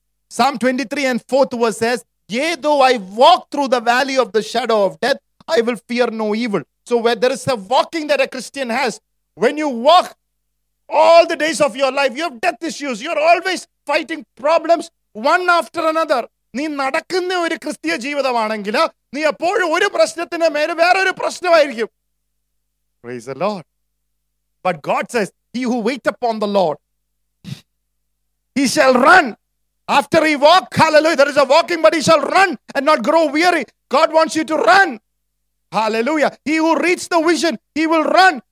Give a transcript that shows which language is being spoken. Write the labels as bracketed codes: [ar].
[en] Psalm 23:4 verse says, yea, though I walk through the valley of the shadow of death, I will fear no evil. So where there is a walking that a Christian has, when you walk all the days of your life, you have death issues. You're always fighting problems one after another. [ml] നീ നടക്കുന്ന ഒരു ക്രിസ്തീയ ജീവിതമാണെങ്കിൽ നീ എപ്പോഴും ഒരു പ്രശ്നത്തിന് മേൽ വേറൊരു പ്രശ്നമായിരിക്കും. [en] Praise the Lord. But God says, he who wait upon the Lord, he shall run. After he walk, hallelujah, there is a walking, but he shall run and not grow weary. God wants you to run. Hallelujah. He who reads the vision, he will run.